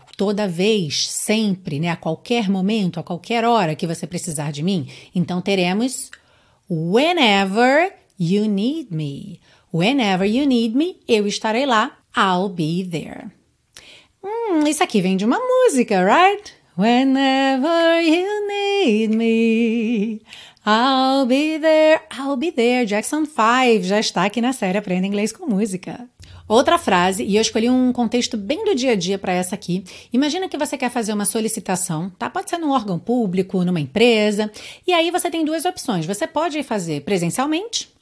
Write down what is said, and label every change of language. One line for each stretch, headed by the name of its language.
Portuguese: Toda vez, sempre, né? A qualquer momento, a qualquer hora que você precisar de mim. Então, teremos
English: whenever you need me. Whenever you need me,
Portuguese: eu estarei lá.
English: I'll be there.
Portuguese: Isso aqui vem de uma música, right?
English: Whenever you need me, I'll be there. I'll be there.
Portuguese: Jackson 5 já está aqui na série Aprenda Inglês com Música. Outra frase, e eu escolhi um contexto bem do dia a dia para essa aqui. Imagina que você quer fazer uma solicitação, tá? Pode ser num órgão público, numa empresa. E aí você tem duas opções. Você pode fazer presencialmente.